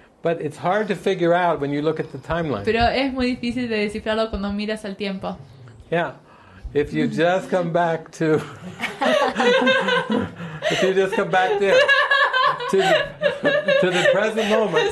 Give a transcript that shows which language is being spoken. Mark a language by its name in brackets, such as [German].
[English] But it's hard to figure out when you look at the timeline. [Spanish] Pero es muy difícil de descifrarlo cuando miras al tiempo. Yeah. [English] If you just come back to, if you just come back there, to the present moment,